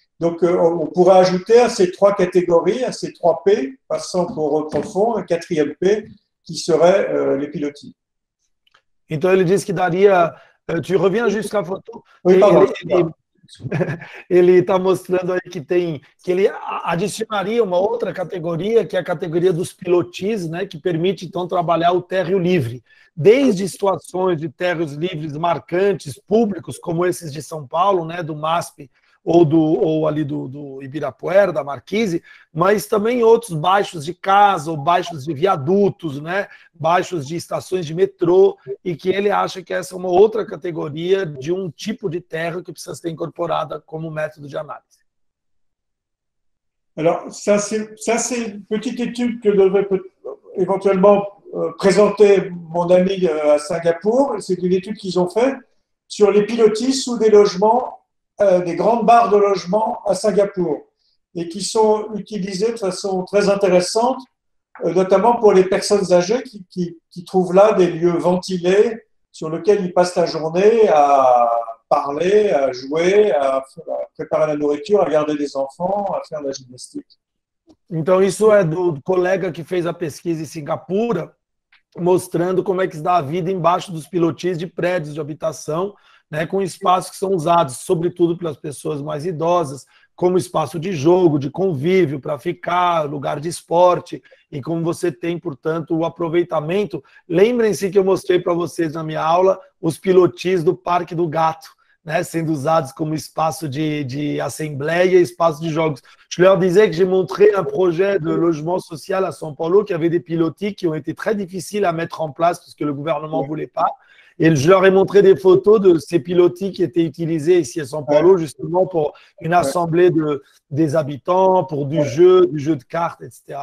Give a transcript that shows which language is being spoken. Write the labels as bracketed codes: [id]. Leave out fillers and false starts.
[fr] Donc on pourrait ajouter à ces trois catégories, à ces trois P, passant pour profond, un quatrième P qui serait les pilotis. Et toi, ils disent qu'il daria. Tu reviens juste à la photo. Oui, pardon. [pt] Ele está mostrando aí que ele adicionaria uma outra categoria, que é a categoria dos pilotis, né, que permite então trabalhar o térreo livre. Desde situações de térreos livres marcantes, públicos, como esses de São Paulo, né, do MASP, ou ali do Ibirapuera, da Marquise, mas também outros baixos de casa, ou baixos de viadutos, né, baixos de estações de metrô, e que ele acha que essa é uma outra categoria de um tipo de terra que precisa ser incorporada como método de análise. [fr] Alors, ça c'est une petite étude que devrait éventuellement présenter mon ami à Singapour. C'est une étude qu'ils ont fait sur les pilotis sous des logements des grandes barres de logement à Singapour et qui sont utilisées de façon très intéressante, notamment pour les personnes âgées qui trouvent là des lieux ventilés sur lesquels ils passent la journée à parler, à jouer, à préparer la nourriture, à garder des enfants, à faire de la gymnastique. [pt] Então, isso é do colega que fez a pesquisa em Singapura, mostrando como é que se dá a vida embaixo dos pilotis de prédios de habitação, né, com espaços que são usados, sobretudo, pelas pessoas mais idosas, como espaço de jogo, de convívio, para ficar, lugar de esporte, e como você tem, portanto, o aproveitamento. Lembrem-se que eu mostrei para vocês na minha aula os pilotis do Parque do Gato, né, sendo usados como espaço de assembleia, espaço de jogos. [fr] Je leur disais que j'ai montré un projet de logement social à São Paulo qui avait des pilotis qui ont été très difficiles à mettre en place parce que le gouvernement ne voulait pas. Et je leur ai montré des photos de ces pilotis qui étaient utilisés ici à São Paulo justement pour une assemblée des habitants, pour du jeu de cartes, etc.